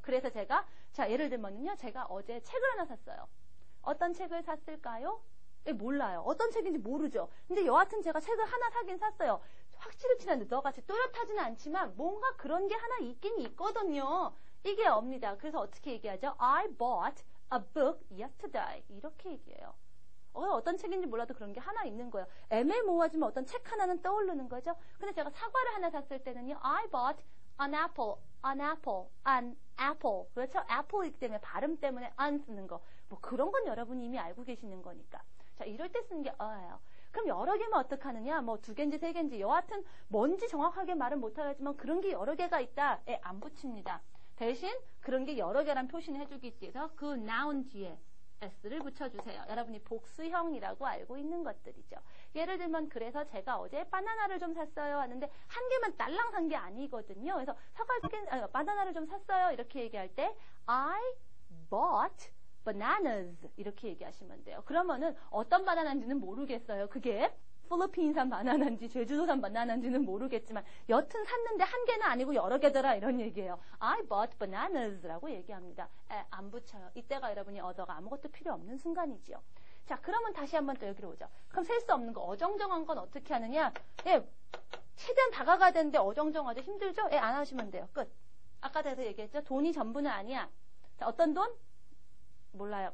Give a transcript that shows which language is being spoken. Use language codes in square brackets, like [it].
[ko] 그래서 제가, 자, 예를 들면은요, 제가 어제 책을 하나 샀어요. 어떤 책을 샀을까요? 예, 몰라요. 어떤 책인지 모르죠. 근데 여하튼 제가 책을 하나 사긴 샀어요. 확실치는 않는데, 너같이 또렷하지는 않지만, 뭔가 그런 게 하나 있긴 있거든요. 이게 옵니다. 그래서 어떻게 얘기하죠? [en] I bought a book yesterday. [ko] 이렇게 얘기해요. 어떤 책인지 몰라도 그런 게 하나 있는 거예요. 애매모호하지만 어떤 책 하나는 떠오르는 거죠. 근데 제가 사과를 하나 샀을 때는요, [en] I bought an apple. An apple, an apple. [ko] 그렇죠? apple이기 때문에 발음 때문에 안 쓰는 거. 뭐 그런 건 여러분이 이미 알고 계시는 거니까. 자, 이럴 때 쓰는 게 어예요. 그럼 여러 개면 어떡하느냐? 뭐 두 개인지 세 개인지 여하튼 뭔지 정확하게 말은 못하겠지만 그런 게 여러 개가 있다. 에, 안 붙입니다. 대신 그런 게 여러 개란 표시는 해주기 위해서 그 noun 뒤에 s를 붙여주세요. 여러분이 복수형이라고 알고 있는 것들이죠. 예를 들면 그래서 제가 어제 바나나를 좀 샀어요 하는데 한 개만 딸랑 산 게 아니거든요. 그래서 바나나를 좀 샀어요 이렇게 얘기할 때 [en] I bought bananas [ko] 이렇게 얘기하시면 돼요. 그러면은 어떤 바나나인지는 모르겠어요. 그게 필리핀산 바나나인지 제주도산 바나나인지는 모르겠지만 여튼 샀는데 한 개는 아니고 여러 개더라 이런 얘기예요. [en] I bought bananas [ko] 라고 얘기합니다. 에, 안 붙여요. 이때가 여러분이 어더가 아무것도 필요 없는 순간이지요. 자, 그러면 다시 한번 또 여기로 오죠. 그럼 셀 수 없는 거 어정쩡한 건 어떻게 하느냐? 예, 최대한 다가가야 되는데 어정쩡하죠? 힘들죠? 예, 안 하시면 돼요. 끝. 아까 대서 얘기했죠? 돈이 전부는 아니야. 자, 어떤 돈? 몰라요.